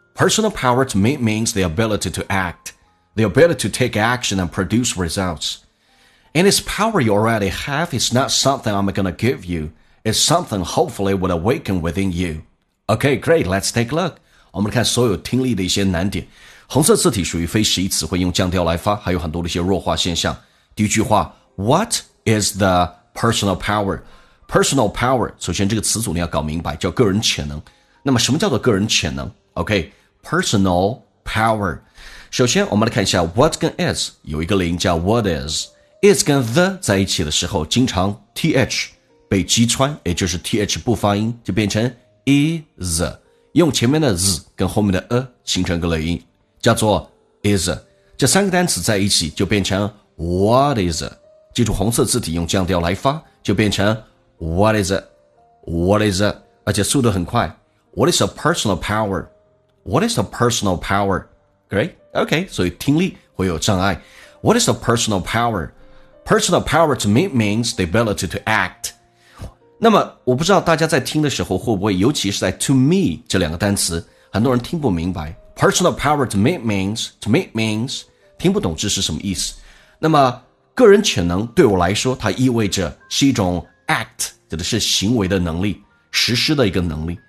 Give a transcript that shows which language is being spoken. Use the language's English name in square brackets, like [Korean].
[English] Personal power to me means the ability to act, the ability to take action and produce results. And this power you already have is not something I'm gonna give you, it's something hopefully will awaken within you. Okay, great, let's take a look. [Chinese] 我们来看所有听力的一些难点。红色字体属于非实义词汇，用降调来发，还有很多的一些弱化现象。第一句话， [English] What is the personal power? Personal power, [Chinese] 首先这个词组你要搞明白，叫个人潜能。那么什么叫做个人潜能？ [English] Okay, personal power. [Chinese] 首先我们来看一下 What 跟 is, 有一个连音叫 What is. Is 跟 the 在一起的时候，经常 th 被击穿，也就是 th 不发音，就变成is， 用前面的 z 跟后面的 a 形成个类音，叫做 is， 这三个单词在一起就变成 what is， 记住红色字体用降调来发，就变成 what is it， what is it， 而且速度很快。 [English] What is a personal power? What is a personal power? Great, OK， [Chinese] 所以听力会有障碍。 [English] What is a personal power? Personal power to me means the ability to act。 [Chinese] 那么我不知道大家在听的时候会不会，尤其是在 to me 这两个单词，很多人听不明白。 [English] Personal power to me means, to me means, [Chinese] 听不懂这是什么意思。那么个人潜能对我来说，它意味着是一种 act, 指的是行为的能力，实施的一个能力。